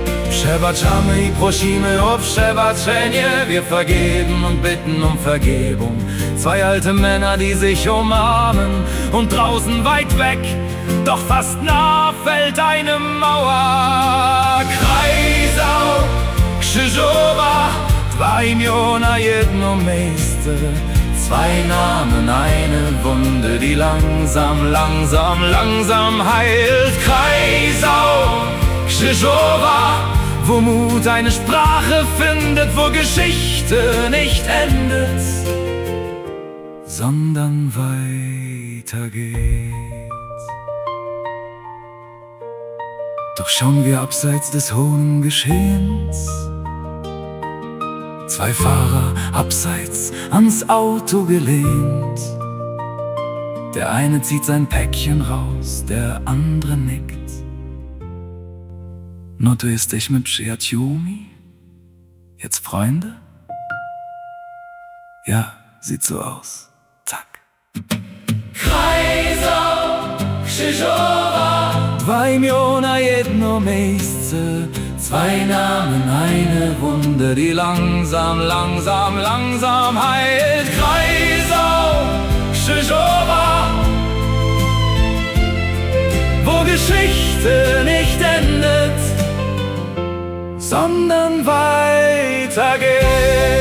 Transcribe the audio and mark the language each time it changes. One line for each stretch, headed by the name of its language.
Polish: Przebaczamy i prosimy o przebaczenie,
German: wir vergeben und bitten um Vergebung. Zwei alte Männer, die sich umarmen und draußen weit weg, doch fast nah fällt eine Mauer.
Polish: Kreisau, Krzyżowa, dwa imiona, jedno miejsce.
German: Zwei Namen, eine Wunde, die langsam, langsam, langsam heilt. Kreisau, Krzyżowa, wo Mut eine Sprache findet, wo Geschichte nicht endet, sondern weitergeht. Doch schauen wir abseits des hohen Geschehens. Zwei Fahrer abseits ans Auto gelehnt. Der eine zieht sein Päckchen raus, der andere nickt.
Polish: No to jesteśmy przyjaciółmi?
German: Jetzt Freunde? Ja, sieht so aus. Zack.
Polish: Kreisau, Krzyżowa, dwa imiona, jedno miejsce.
German: Zwei Namen, eine Wunde, die langsam, langsam, langsam heilt. Kreisau, Krzyżowa, wo Geschichte nicht endet, sondern weitergeht.